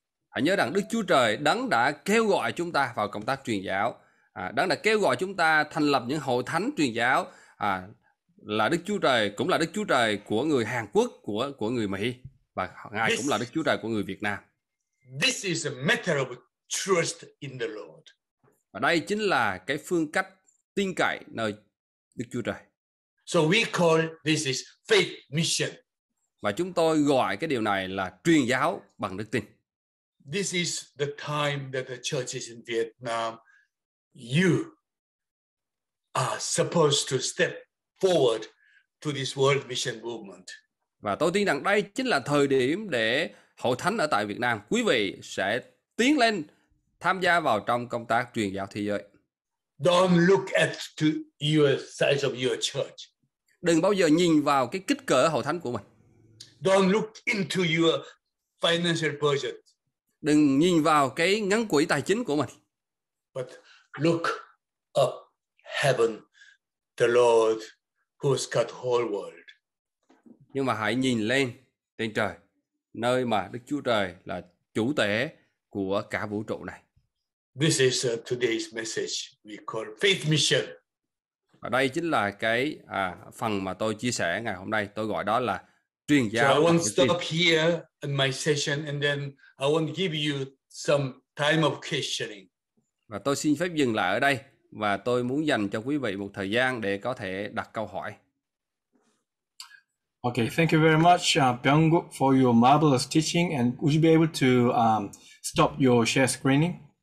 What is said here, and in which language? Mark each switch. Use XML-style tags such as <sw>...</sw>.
<vi>Hãy nhớ rằng Đức Chúa Trời đấng đã kêu gọi chúng ta vào công tác truyền giáo, đấng đã kêu gọi chúng ta thành lập những hội thánh truyền giáo, là Đức Chúa Trời, cũng là Đức Chúa Trời của người Hàn Quốc, của người Mỹ, và Ngài cũng là Đức Chúa Trời của người Việt Nam.</vi> <en>This is a matter of trust in the Lord.</en> <vi>Và đây chính là cái phương cách tin cậy nơi Đức Chúa Trời.</vi> <en>So we call this is faith mission.</en> <vi>Và chúng tôi gọi cái điều này là truyền giáo bằng đức tin.</vi> <en>This is the time that the churches in Vietnam, you are supposed to step forward to this world mission movement.</en> <vi>Và tôi tin rằng đây chính là thời điểm để hội thánh ở tại Việt Nam, quý vị sẽ tiến lên tham gia vào trong công tác truyền giáo thế giới.</vi> <en>Don't look at to your size of your church.</en> <vi>Đừng bao giờ nhìn vào cái kích cỡ hội thánh của mình.</vi> <en>Don't look into your financial budget.</en> <vi>Đừng nhìn vào cái ngân quỹ tài chính của mình.</vi> <en>But look up heaven, the Lord who's got the whole world.</en> <vi>Nhưng mà hãy nhìn lên trên trời, nơi mà Đức Chúa Trời là chủ tể của cả vũ trụ này.</vi> <en>This is today's message we call faith mission.</en> <vi>Và đây chính là cái phần mà tôi chia sẻ ngày hôm nay, tôi gọi đó là truyền giáo.</vi> <en>So I want to stop here in my session and then I want to give you some time of questioning.</en> <vi>Và tôi xin phép dừng lại ở đây. Và tôi muốn dành cho quý vị một thời gian để có thể đặt câu hỏi.</vi> <en>Okay, thank you very much, Byung-guk, for your marvelous teaching. And would you be able to stop your share screening?</en>